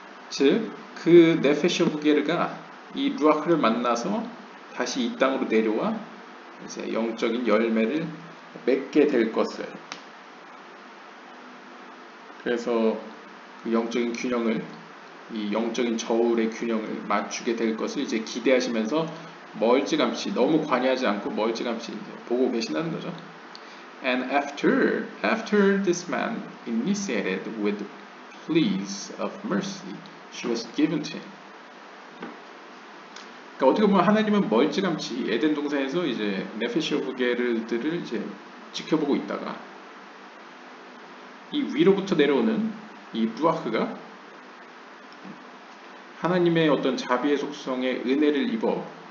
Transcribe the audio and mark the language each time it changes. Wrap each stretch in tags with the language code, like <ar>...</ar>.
<ko>즉 그 네페시 오브 게르가 이 루아흐를 만나서 다시 이 땅으로 내려와 이제 영적인 열매를 맺게 될 것을, 그래서 그 영적인 균형을, 이 영적인 저울의 균형을 맞추게 될 것을 이제 기대하시면서 멀찌감치, 너무 관여하지 않고 멀찌감치 이제 보고 계신다는 거죠.</ko> <en>And after this man initiated with pleas of mercy, she was given to him.</en> <ko>그러니까 어떻게 보면 하나님은 멀찌감치 에덴 동산에서 이제 네페시 오브 게르들을 이제 지켜보고 있다가 이 위로부터 내려오는 이 루아크가 하나님의 어떤 자비의 속성에 은혜를 입어</ko>